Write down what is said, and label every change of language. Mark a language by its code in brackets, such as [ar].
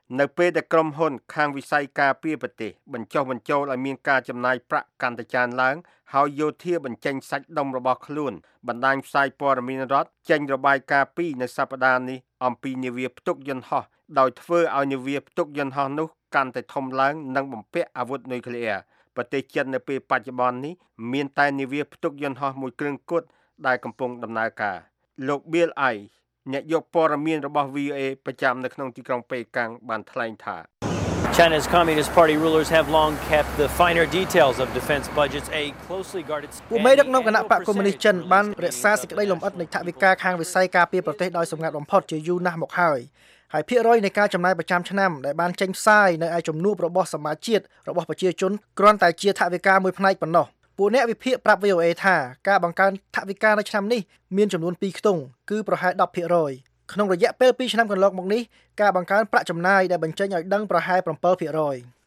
[km] នៅពេលដែលក្រុមហ៊ុនខាងវិស័យការពារប្រទេសបញ្ចុះបញ្ចូលឲ្យមានការចំណាយប្រាក់កាន់តែច្រើនឡើងហើយយោធាបញ្ចេញសាច់ដុំរបស់ខ្លួនបណ្ដាញផ្សាយព័ត៌មានរដ្ឋចេញរបាយការណ៍ពីនៅសប្ដាហ៍នេះអំពីនាវាផ្ទុកយន្តហោះដោយធ្វើឲ្យនាវាផ្ទុកយន្តហោះនោះកាន់តែធំឡើងនិងបំពាក់អាវុធនុយក្លេអ៊ែរប្រទេសចិននៅពេលបច្ចុប្បន្ននេះ មានតែនាវាផ្ទុកយន្តហោះមួយគ្រឿងគត់ដែលកំពុងដំណើរការលោកប៊ីលអៃអ្នកយកព័ត៌មានរបស់ VOA ប្រចាំនៅក្នុងទីក្រុងប៉េកាំងបានថ្លែងថា [en] China's Communist Party rulers have long kept the finer details of defense budgets a closely guarded [km] ពួកមេដឹកនាំគណៈបកកុម្មុយនីសចិនបានរក្សាសេចក្តីលម្អិតនៃថវិកាខាងវិស័យការពារប្រទេសដោយសម្ងាត់បំផុតជាយូរណាស់មកហើយហើយភាគរយនៃការចំណាយប្រចាំឆ្នាំដែលបានចេញផ្សាយនៅឯចំនួនរបស់សមាជិករបស់ប្រជាជនគ្រាន់តែជាថវិកាមួយផ្នែកប៉ុណ្ណោះពួកអ្នកវិភាគប្រាប់ VOA ថាការបង្កើនថវិកានៅឆ្នាំនេះមានចំនួន2ខ្ទង់គឺប្រហែល 10% ក្នុងរយៈពេល2ឆ្នាំកន្លងមកនេះការបង្កើនប្រាក់ចំណាយដែលបញ្ចេញឲ្យដឹងប្រហែល 7%